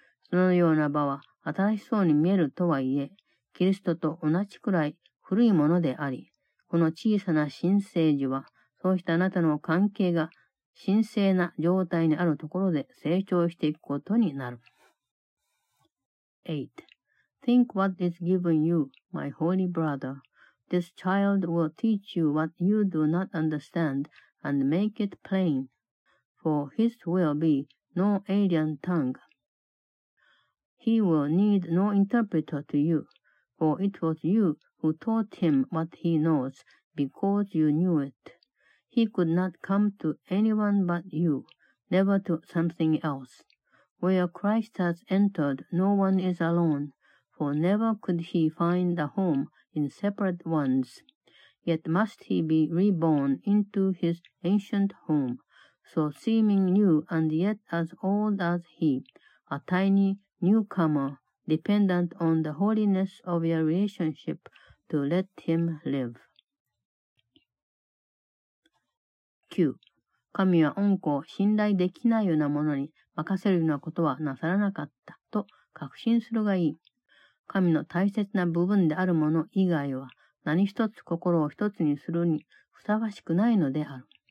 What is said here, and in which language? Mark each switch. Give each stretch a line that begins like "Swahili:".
Japanese: そのような場は新しそうに見えるとはいえ、キリストと同じくらい古いものであり、この小さな新生児は、そうしたあなたの関係が神聖な状態にあるところで成長していくことになる。 8.
English: Think what is given you, my holy brother. This child will teach you what you do not understand and make it plain, for his will be no alien tongue. He will need no interpreter to you, for it was you who taught him what he knows because you knew it. He could not come to anyone but you, never to something else. Where Christ has entered, no one is alone, for never could he find a home in separate ones. Yet must he be reborn into his ancient home, so seeming new and yet as old as he, a tiny newcomer dependent on the holiness of your relationship to let him live. 9.
Japanese: 神は恩子を信頼できないようなものに任せるようなことはなさらなかったと確信するがいい。神の大切な部分であるもの以外は何一つ心を一つにするにふさわしくないのである。